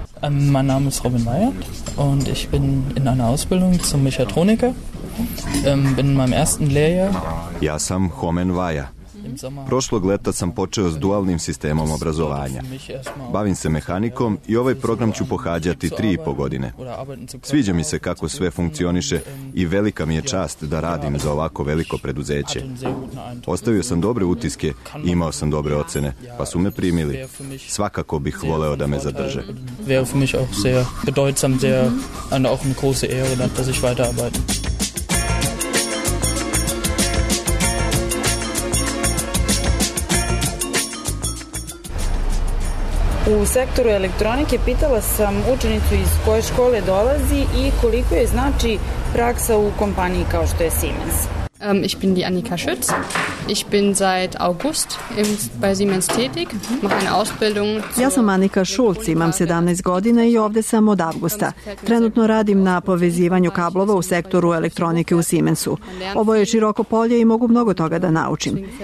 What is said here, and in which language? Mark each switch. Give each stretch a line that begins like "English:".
German: Mein Name ist Robin Meyer und ich bin in einer Ausbildung zum Mechatroniker. Bin in meinem ersten Lehrjahr.
Serbian: Ja sam Homen Vaja. Prošlog leta sam počeo s dualnim sistemom obrazovanja. Bavim se mehanikom i ovaj program ću pohađati 3,5 godine. Sviđa mi se kako sve funkcioniše i velika mi je čast da radim za ovako veliko preduzeće. Ostavio sam dobre utiske, imao sam dobre ocene, pa su me primili. Svakako bih voleo da me zadrže.
German: Wäre für mich auch sehr bedeutsam, sehr auch eine große Ehre, dass ich weiterarbeite.
Serbian: U sektoru elektronike pitala sam učenicu iz koje škole dolazi i koliko je znači praksa u kompaniji kao što je Siemens.
German: Ich bin die Annika Schütz. Ich bin seit August bei Siemens tätig, mache eine Ausbildung.
Serbian: Ja sam Annika Schulz, imam 17 godina i ovde sam od avgusta. Trenutno radim na povezivanju kablova u sektoru elektronike u Siemensu. Ovo je široko polje i mogu mnogo toga da naučim.